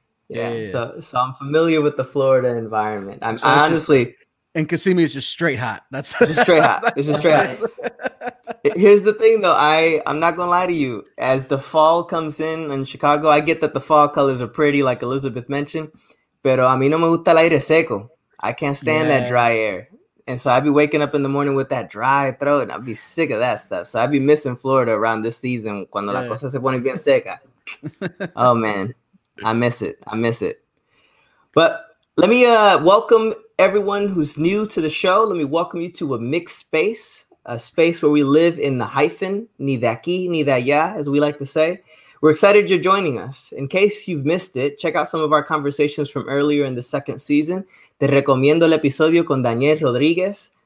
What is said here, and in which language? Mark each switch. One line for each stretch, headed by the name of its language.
English: So I'm familiar with the Florida environment. And Kissimmee is just straight hot. That's just straight hot. Here's the thing, though. I'm not going to lie to you. As the fall comes in Chicago, I get that the fall colors are pretty, like Elizabeth mentioned.
Spanish: Pero a mí no me gusta el aire seco.
English: I can't stand that dry air. And so I'd be waking up in the morning with that dry throat, and I'd be sick of that stuff. So I'd be missing Florida around this season.
Spanish: Cuando la cosa se pone bien seca.
English: Oh, man. I miss it. But let me welcome everyone who's new to the show. Let me welcome you to a mixed space, a space where we live in the hyphen,
Spanish: ni de aquí, ni de allá,
English: as we like to say. We're excited you're joining us. In case you've missed it, check out some of our conversations from earlier in the second season.
Spanish: Te recomiendo el episodio con Daniel Rodriguez.